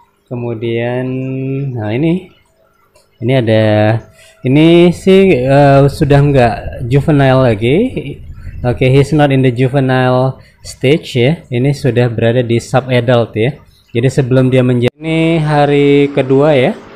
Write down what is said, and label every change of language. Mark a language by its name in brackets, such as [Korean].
[Indonesian] Kemudian, nah ini ada, ini sih sudah nggak juvenile lagi. [English] Oke, okay, he's not in the juvenile stage ya. [Indonesian] Ini sudah berada di sub adult ya. Jadi sebelum dia menjadi, ini hari kedua ya.